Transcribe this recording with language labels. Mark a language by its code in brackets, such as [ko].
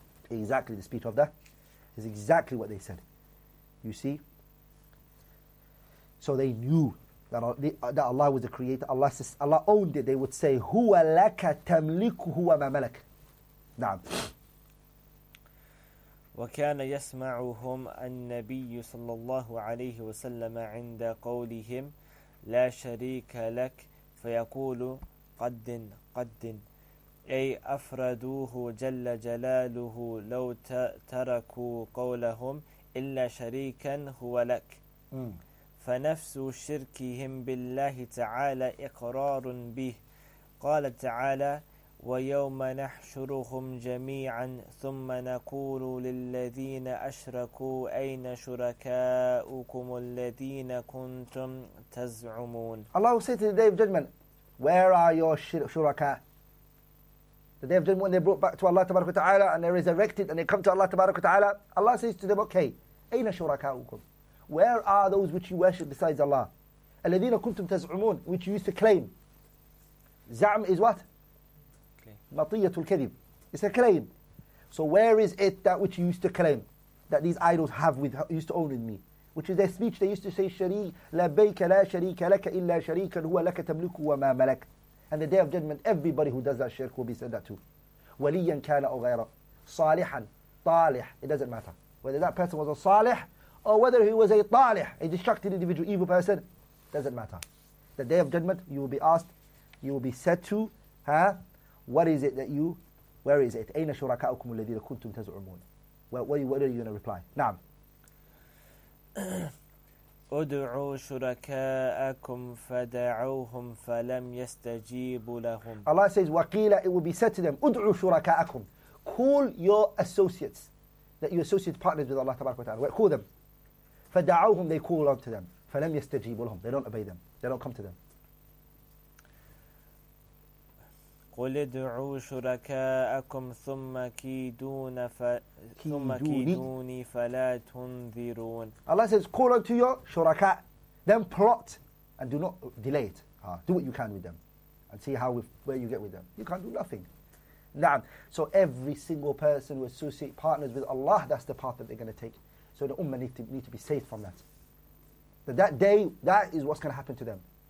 [en] Exactly the speech of that is exactly what they said. You see? So they knew that Allah was the creator. Allah owned it. They would say, [ar] Huwa laka tamliku huwa ma malak. Naam. وكان يسمعهم النبي صلى الله عليه وسلم عند قولهم لا شريك لك فيقول قد أي أفردوه جل جلاله لو تركوا قولهم إلا شريكا هو لك فنفس شركهم بالله تعالى إقرار به. قال تعالى ويوم نحشرهم جميعا ثم نقول للذين أشركوا أين شركاؤكم الذين كنتم تزعمون. [en] Allah will say to the day of judgment, where are your shuraka? The day of judgment when they brought back to Allah tabarak wa ta'ala and they resurrected and they come to Allah tabarak wa ta'ala, Allah says to them, okay, [ar] أين شركاؤكم? [en] Where are those which you worship besides Allah? [ar] الذين كنتم تزعمون, [en] which you used to claim. زعم is what? [ar] مَطِيَّةُ الْكَذِبِ. [en] It's a claim. So where is it that which you used to claim that these idols have with used to own with me? Which is their speech. They used to say, [ar] شَرِيكَ لَبَيْكَ لَا شَرِيكَ لَكَ إِلَّا شَرِيكًا هُوَ لَكَ تَمْلُكُ وَمَا مَلَكَ. [en] And the day of judgment, everybody who does that shirk will be said that too. [ar] وَلِيًّا كَانَ أَوْ غَيْرًا صَالِحًا طَالِحًا. [en] It doesn't matter whether that person was a صالح or whether he was a طالح, a destructive individual, evil person. Doesn't matter. The day of judgment, you will be asked, you will be said to, what is it that you, where is it? [ar] أين شركاؤكم الذين كنتم تزعمون? [en] What are you going to reply? نعم. [ar] أدعوا شركاءكم فدعوهم فلم يستجيبوا لهم. [en] Allah says, وقيل, it will be said to them, [ar] أدعوا شركاءكم. [en] Call your associates, that your associate partners with Allah تبارك وتعالى. Call them. فدعوهم, they call unto them. [ar] فلم يستجيبوا لهم. [en] They don't obey them. They don't come to them. [ar] قل ادعوا شركاءكم ثم كيدون كيدوني فلا تنذرون. [en] Allah says, call unto your شركاء, then plot and do not delay it. Do what you can with them and see how where you get with them. You can't do nothing. نعم. So every single person who associates partners with Allah, that's the path that they're going to take. So the ummah need to be saved from that. But that day, that is what's going to happen to them.